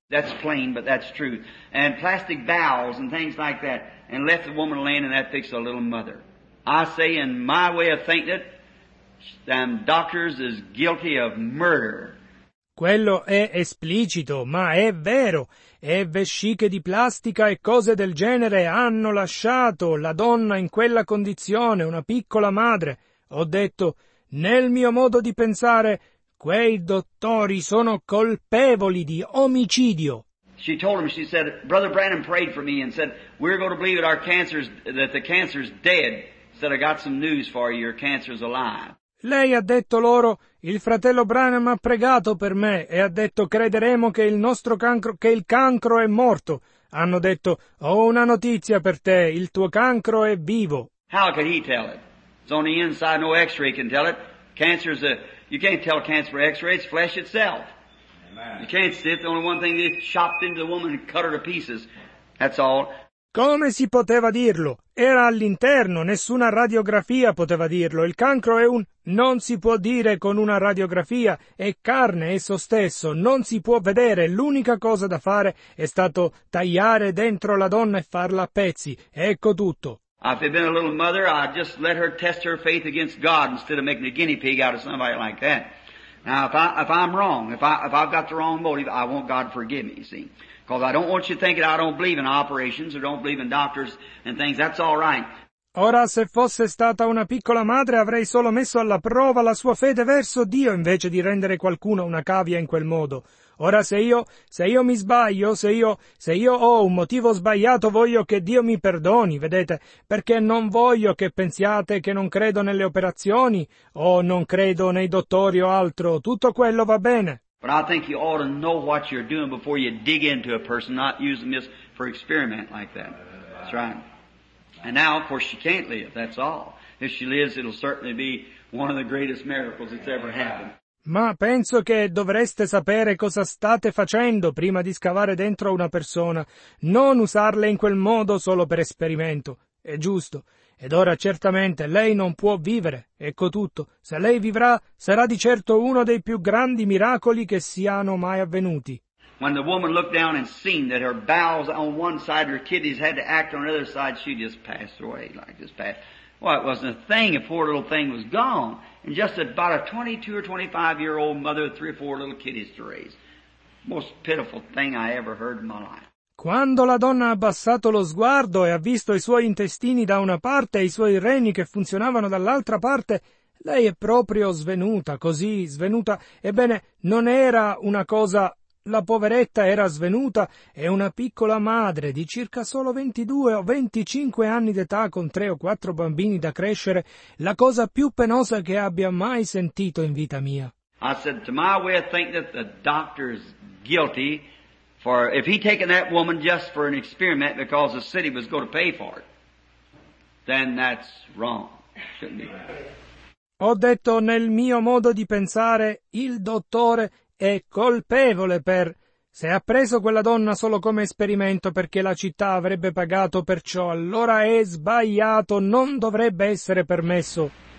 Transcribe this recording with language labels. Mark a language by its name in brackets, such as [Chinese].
[English] That's plain, but that's true. And plastic bowels and things like that, and left the woman laying in that fix a little mother. I say, in my way of thinking it, them doctors is guilty of murder. [Italian] Quello è esplicito, ma è vero. E vesciche di plastica e cose del genere hanno lasciato la donna in quella condizione, una piccola madre. Ho detto, nel mio modo di pensare, quei dottori sono colpevoli di omicidio. [English] She told him, she said, Brother Branham prayed for me and said, we're going to believe that the cancer's dead. Said, I got some news for you. Your cancer is alive. [Italian] Lei ha detto loro, il fratello Branham ha pregato per me e ha detto, crederemo che il cancro è morto. Hanno detto, ho una notizia per te, il tuo cancro è vivo. [English] How could he tell it? It's on the inside, no x-ray can tell it. Cancer is you can't tell cancer by x-ray, it's flesh itself. Amen. You can't see it, the only one thing is chopped into the woman and cut her to pieces. That's all. [Italian] Come si poteva dirlo? Era all'interno, nessuna radiografia poteva dirlo. Il cancro è un non si può dire con una radiografia, è carne esso stesso, non si può vedere. L'unica cosa da fare è stato tagliare dentro la donna e farla a pezzi. Ecco tutto. [English] If it'd been a little mother, I'd just let her test her faith against God instead of making a guinea pig out of somebody like that. Now, if I've got the wrong motive, I want God to forgive me, you see. Because I don't want you thinking I don't believe in operations or don't believe in doctors and things. That's all right. [Italian] Ora, se fosse stata una piccola madre, avrei solo messo alla prova la sua fede verso Dio invece di rendere qualcuno una cavia in quel modo. Ora, se io mi sbaglio, se io ho un motivo sbagliato, voglio che Dio mi perdoni, vedete? Perché non voglio che pensiate che non credo nelle operazioni o non credo nei dottori o altro. Tutto quello va bene. [English] But I think you ought to know what you're doing before you dig into a person, not using this for experiment like that. That's right. And now, of course, she can't live, that's all. If she lives, it'll certainly be one of the greatest miracles that's ever happened. [Italian] Ma penso che dovreste sapere cosa state facendo prima di scavare dentro una persona. Non usarle in quel modo solo per esperimento. È giusto. Ed ora, certamente, lei non può vivere. Ecco tutto. Se lei vivrà, sarà di certo uno dei più grandi miracoli che siano mai avvenuti. [English] When the woman looked down and seen that her bowels on one side, her kidneys had to act on the other side, she just passed away like this past. Well, it wasn't a thing. A poor little thing was gone. And just about a 22 or 25-year-old mother, 3 or 4 little kidneys to raise. Most pitiful thing I ever heard in my life. [Italian] Quando la donna ha abbassato lo sguardo e ha visto i suoi intestini da una parte e i suoi reni che funzionavano dall'altra parte, lei è proprio svenuta, così svenuta. Ebbene, non era una cosa La poveretta era svenuta e una piccola madre di circa solo 22 o 25 anni d'età con 3 o 4 bambini da crescere, la cosa più penosa che abbia mai sentito in vita mia. [English] I said to my way of thinking that the doctor's guilty for if he taken that woman just for an experiment because the city was going to pay for it. Then that's wrong. Shouldn't be. [Italian] Ho detto nel mio modo di pensare il dottore è colpevole per se ha preso quella donna solo come esperimento perché la città avrebbe pagato per ciò, allora è sbagliato, non dovrebbe essere permesso.